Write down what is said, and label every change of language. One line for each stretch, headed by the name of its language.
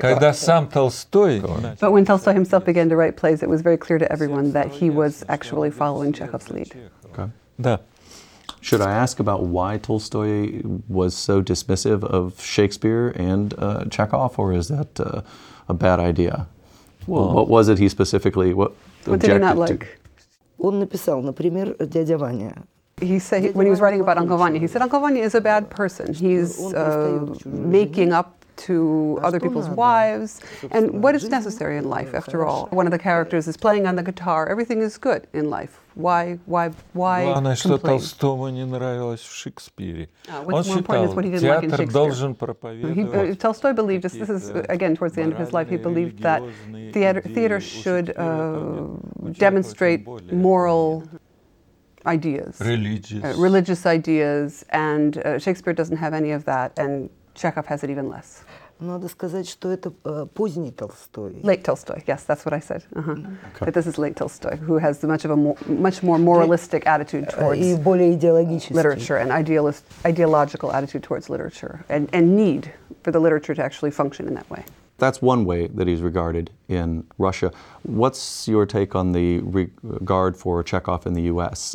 English: But when Tolstoy himself began to write plays, it was very clear to everyone that he was actually following Chekhov's lead. Okay. Should I ask about why Tolstoy was so dismissive of Shakespeare and Chekhov, or is that a bad idea? Well, what was it he specifically... What did he not like?
Russian: Он написал, например, «Дядя Ваня».
English: He said, when he was writing about Uncle Vanya, he said, Uncle Vanya is a bad person. He's making up to other people's wives. And what is necessary in life, after all? One of the characters is playing on the guitar. Everything is good in life. Why complain? What's more important is what he didn't like in Shakespeare. Tolstoy believed, this is again towards the end of his life, he believed that theater should demonstrate moral ideas. Religious ideas, and Shakespeare doesn't have any of that, and Chekhov has it even less.
Russian: Надо сказать, что это поздний Толстой.
English: Late Tolstoy, yes, that's what I said. Okay. But this is late Tolstoy, who has much more moralistic attitude towards literature and ideological attitude towards literature and need for the literature to actually function in that way. That's one way that he's regarded in Russia. What's your take on the regard for Chekhov in the U.S.